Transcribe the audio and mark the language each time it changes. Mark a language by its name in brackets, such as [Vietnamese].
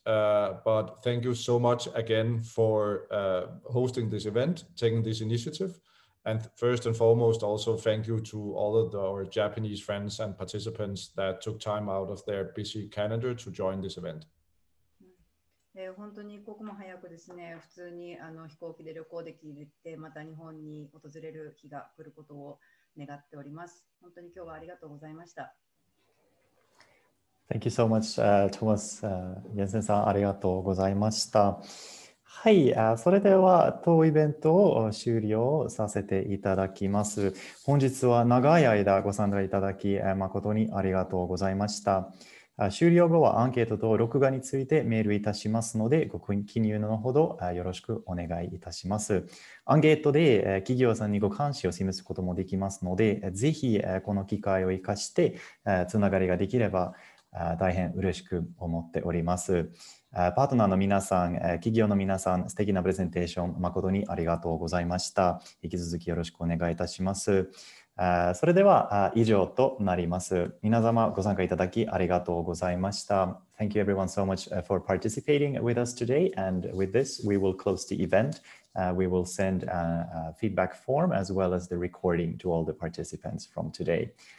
[English] But thank you so much again for hosting this event, taking this initiative. And first and foremost, also thank you to all of our Japanese friends and participants that took time out of their busy calendar to join this event. [Japanese] 本当に一刻も早くですね、普通に飛行機で旅行できて、また日本に訪れる日が来ることを願っております。本当に今日はありがとうございました。 [English] Thank you so much, Thomas. [Japanese] Jensen さん、ありがとうございました。はい、それでは当イベントを終了させていただきます。本日は長い間ご参加いただき、誠にありがとうございました。終了後はアンケートと録画についてメールいたしますので、ご記入のほどよろしくお願いいたします。アンケートで企業さんにご関心を示すこともできますので、ぜひこの機会を生かしてつながりができれば大変嬉しく思っております。パートナーの皆さん、企業の皆さん、素敵なプレゼンテーション、誠にありがとうございました。引き続きよろしくお願いいたします。それでは以上となります。皆様ご参加いただきありがとうございました。 [English] Thank you everyone so much for participating with us today. And with this, we will close the event. We will send a feedback form as well as the recording to all the participants from today.